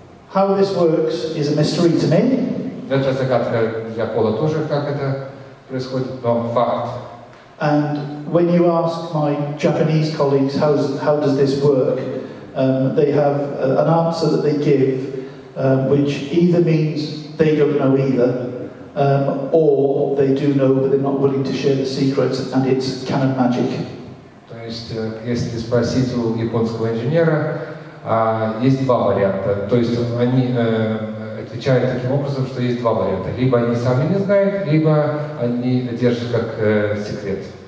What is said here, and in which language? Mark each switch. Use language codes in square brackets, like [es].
[en] How this works is a mystery to me. [ru] Это загадка для Пола тоже, как это происходит, но факт. [en] And when you ask my Japanese colleagues how does this work, they have an answer that they give, which either means they don't know either, or they do know but they're not willing to share the secrets, and it's Canon magic. [ru] То есть, если спросить у японского инженера. Есть два варианта. То есть они отвечают таким образом, что есть два варианта. Либо они сами не знают, либо они держат как секрет